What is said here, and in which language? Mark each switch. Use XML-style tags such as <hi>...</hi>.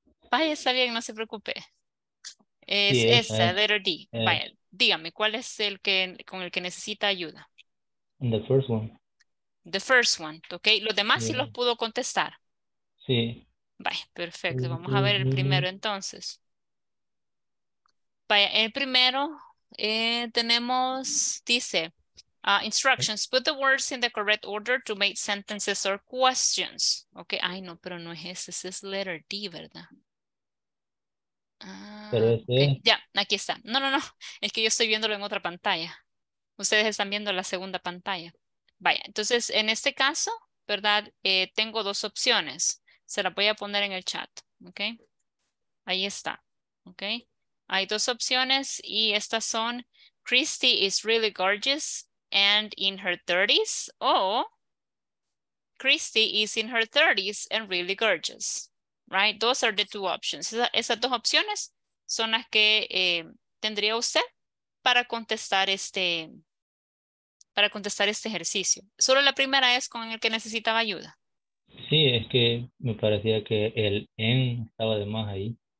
<es>Vaya, está bien, no se preocupe. Es esa, letter D. Vaya, dígame, ¿cuál es el que con el que necesita ayuda?</es> <en>The first one. The first one,</en> <es>¿ok? ¿Los demás sí los pudo contestar? Sí. Vaya, perfecto, vamos a ver el primero entonces. Vaya, el primero... tenemos, dice,</es> <en>instructions, put the words in the correct order to make sentences or questions.</en> <es>Ok, ay no, pero no es ese, ese es letter D, ¿verdad? Pero ese... okay, ya, aquí está. No, no, no, es que yo estoy viéndolo en otra pantalla. Ustedes están viendo la segunda pantalla. Vaya, entonces en este caso, ¿verdad? Tengo dos opciones. Se la voy a poner en el chat, ¿ok? Ahí está, ¿ok? Hay dos opciones y estas son</es> <en>Christy is really gorgeous and in her 30s o Christy is in her 30s and really gorgeous, right? Those are the two options.</en> <es>Esas dos opciones son las que tendría usted para contestar este ejercicio. Solo la primera es con el que necesitaba ayuda. Sí, es que me parecía que el en estaba de más ahí.</es>